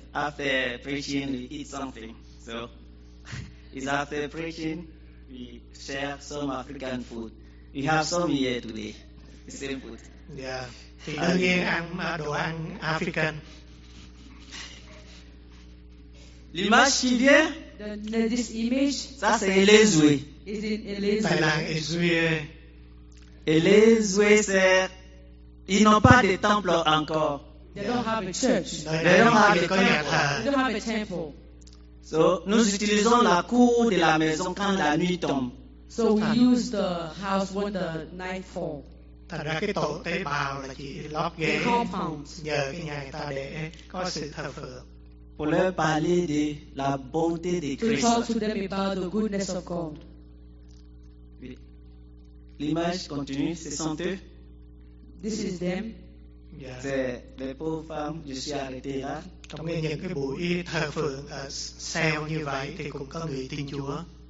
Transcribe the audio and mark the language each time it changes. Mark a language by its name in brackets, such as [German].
[English] After preaching, we eat something. So, it's after preaching, we share some African food. We have some here today. The same food. Yeah. [Vietnamese] Thì đương nhiên ăn đồ ăn African. [French] L'image qui vient, [English] this image, [French] ça c'est Elezoué. [Vietnamese] Phải là Elezoué. [French] Elezoué, c'est... Ils n'ont pas de temple encore. [English] They don't have a church. They don't have a temple. They don't have a temple. [French] So, nous utilisons la cour de la maison quand la nuit tombe. [English] So, we use the house when the night falls. [Vietnamese] Thành ra cái tổ tế bào là chỉ lót ghế nhờ cái nhà người ta để có sự thờ phượng. [French] Pour leur parler de la bonté de Christ. [English] To talk to them about the goodness of God. [French] L'image continue, ce sont eux. [English] This is them. Yeah. [French] C'est les pauvres femmes, je suis arrêté là. [Vietnamese] Trong những cái buổi thờ phượng ở cell như vậy thì cũng có người tin Chúa.